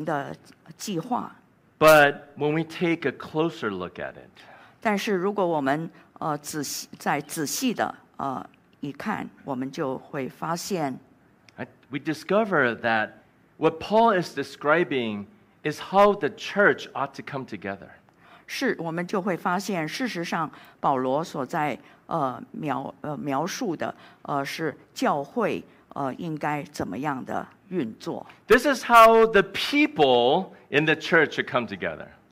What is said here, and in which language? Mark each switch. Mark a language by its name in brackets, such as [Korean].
[Chinese] 那么就像我们上个礼拜提到的，当我们第一次读这段经文的时候，似乎就是保罗在报告他所预定的旅行的计划。 [English] But when we take a closer look at it, [Chinese] 但是如果我们仔细的一看，我们就会发现， [English] we discover that what Paul is describing is how the church ought to come together. [Chinese] 是，我们就会发现，事实上，保罗所在描述的，是教会应该怎么样的运作。 [English] This is how the people in the church should come together.